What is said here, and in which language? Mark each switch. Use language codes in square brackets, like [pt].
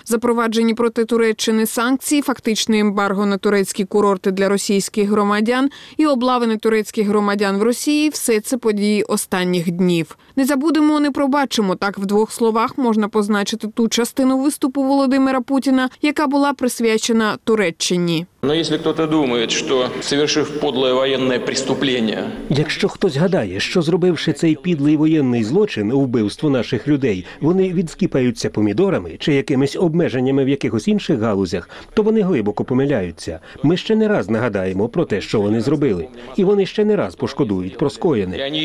[uk] Запроваджені проти Туреччини санкції, фактичне ембарго на турецькі курорти для російських громадян і облавини турецьких громадян в Росії – все це події останніх днів. Не забудемо, не пробачимо. Так, в двох словах можна позначити ту частину виступу Володимира Путіна, яка була присвячена Туреччині. [ru] Но если кто-то думает, что совершив подлое военное преступление. [uk] Якщо хтось гадає, що зробивши цей підлий воєнний злочин, вбивство наших людей, вони відскіпаються помідорами чи якимись обмеженнями в якихось інших галузях, то вони глибоко помиляються. Ми ще не раз нагадаємо про те, що вони зробили, і вони ще не раз пошкодують про скоєне.